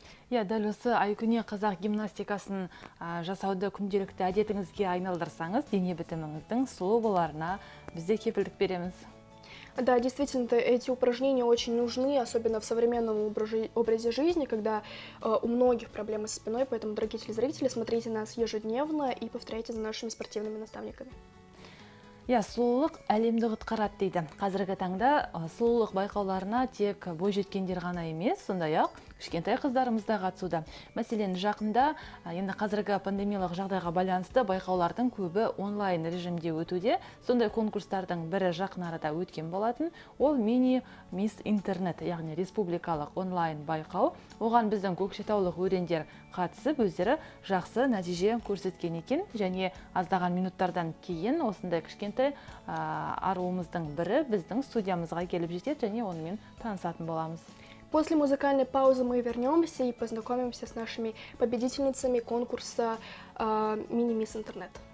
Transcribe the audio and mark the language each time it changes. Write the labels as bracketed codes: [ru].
[kk] Я дәл осы Айкүне қазақ гимнастикасын жасауды күнделікті әдетіңізге айналдырсаңыз, дене бітіміңіздің сұлу боларына бізде кепілдік береміз. [ru] Да, действительно, эти упражнения очень нужны, особенно в современном образе жизни, когда у многих проблемы со спиной, поэтому, дорогие телезрители, смотрите нас ежедневно и повторяйте за нашими спортивными наставниками. [kk] Я сұлулық әлемді ұтқарады дейді. Қазіргі таңда сұлулық байқауларына тек бойжеткендер ғана емес, сондай-ақ кішкентай қыздарымыз да қатысуда. Мәселен, жақында, енді қазіргі пандемиялық жағдайға байланысты байқаулардың көбі онлайн режимде өтуде. Сондай конкурстардың бірі жақын арада өткен болатын. Ол мини мисс интернет, яғни республикалық онлайн байқау. Оған біздің көкшетаулық өрендер қатысып, өздері жақсы нәтиже көрсеткен екен. Және аздаған минуттардан кейін осындай кішкентай аруымыздың бірі біздің студиямызға келіп жетеді, және онымен танысатын боламыз. [ru] После музыкальной паузы мы вернемся и познакомимся с нашими победительницами конкурса «Мини Мисс Интернет».